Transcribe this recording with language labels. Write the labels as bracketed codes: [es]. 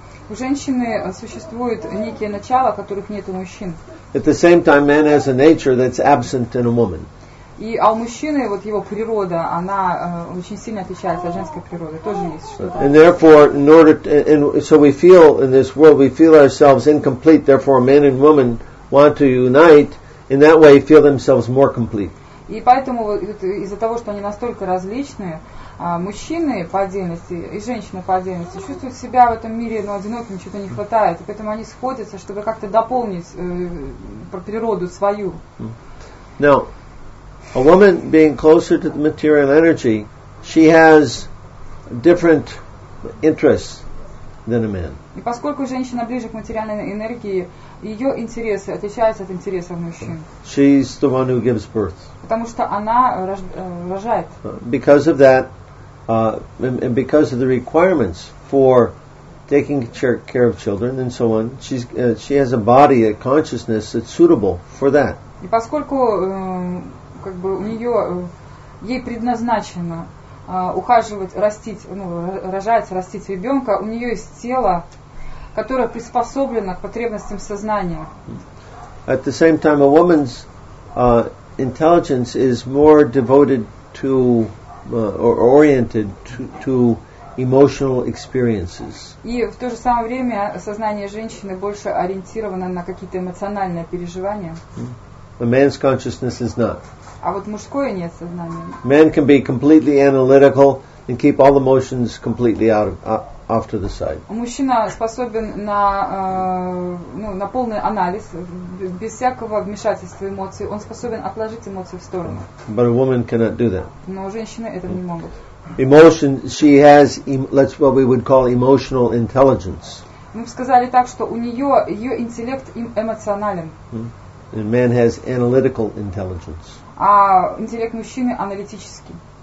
[ru] У женщины существуют некие начала, которых нет у мужчин. [en] At the same time, man has a nature that's absent in a woman. [ru] И а у мужчины вот его природа, она очень сильно отличается от женской природы, тоже есть что-то. [en] And therefore, in order, to, and so we feel in this world, we feel ourselves incomplete. Therefore, man and woman want to unite. In that way, feel themselves more complete. [ru] И поэтому из-за того, что они настолько различные, мужчины по отдельности и женщины по отдельности чувствуют себя в этом мире одиноким, чего-то не хватает, и поэтому они сходятся, чтобы как-то дополнить природу свою. [en] Now, a woman being closer to the material energy, she has different interests than a man. [ru] И поскольку женщина ближе к материальной энергии, ее интересы отличаются от интересов мужчин. [en] She's the one who gives birth. [ru] Потому что она рожает. [en] Because of that, and because of the requirements for taking care of children and so on, she has a body, a consciousness that's suitable for that. [ru] И поскольку у нее ей предназначено ухаживать, растить, рожать, растить ребенка, у нее есть тело, которое приспособлено к потребностям сознания. [en] At the same time, a woman's intelligence is more devoted to or oriented to emotional experiences. [ru] И в то же самое время сознание женщины больше ориентировано на какие-то эмоциональные переживания. [en] A man's consciousness is not. [ru] А вот мужское нет сознания. [en] Man can be completely analytical and keep all emotions completely out of after the sight. [ru] Мужчина способен на на полный анализ без всякого вмешательства эмоций. Он способен отложить эмоции в сторону. [en] But a woman cannot do that. [ru] Но женщины этого не могут. [en] Emotion, she has, that's what we would call emotional intelligence. [ru] Мы сказали так, что у нее ее интеллект эмоционален. [en] And man has analytical intelligence. [ru] А интеллект мужчины аналитический.